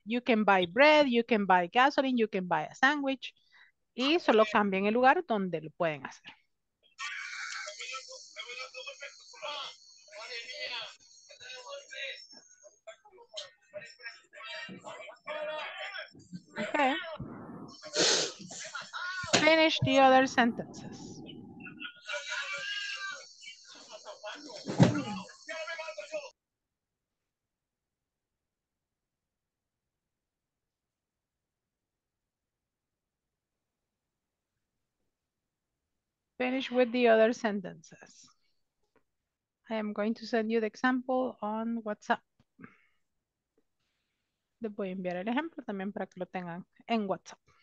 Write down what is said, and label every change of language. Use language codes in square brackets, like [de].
[en] You can buy bread, you can buy gasoline, you can buy a sandwich. [es] Y solo cambien el lugar donde lo pueden hacer. [en] Okay. Finish the other sentences. Finish with the other sentences. I am going to send you the example on WhatsApp. [es] Les voy a enviar el ejemplo también para que lo tengan en WhatsApp.